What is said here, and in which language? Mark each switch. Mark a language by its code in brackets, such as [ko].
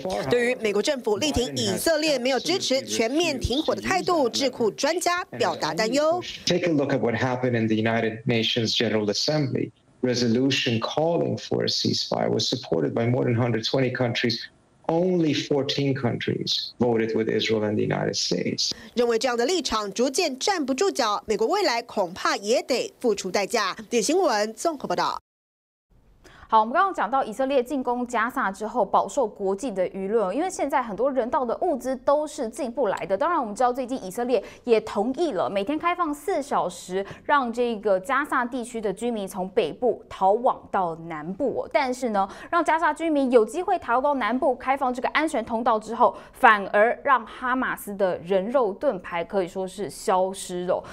[zh] 对于美国政府力挺以色列没有支持全面停火的态度，智库专家表达担忧。 [en] Take a look at what happened in the United Nations General Assembly. Resolution calling for a ceasefire was supported by more than 120 countries. Only 14 countries voted with Israel and the United States. [zh] 认为这样的立场逐渐站不住脚，美国未来恐怕也得付出代价。点新闻综合报道。好，我们刚刚讲到以色列进攻加萨之后饱受国际的舆论，因为现在很多人道的物资都是进不来的。当然我们知道最近以色列也同意了每天开放四小时，让这个加萨地区的居民从北部逃往到南部，但是呢，让加萨居民有机会逃到南部，开放这个安全通道之后，反而让哈马斯的人肉盾牌可以说是消失了。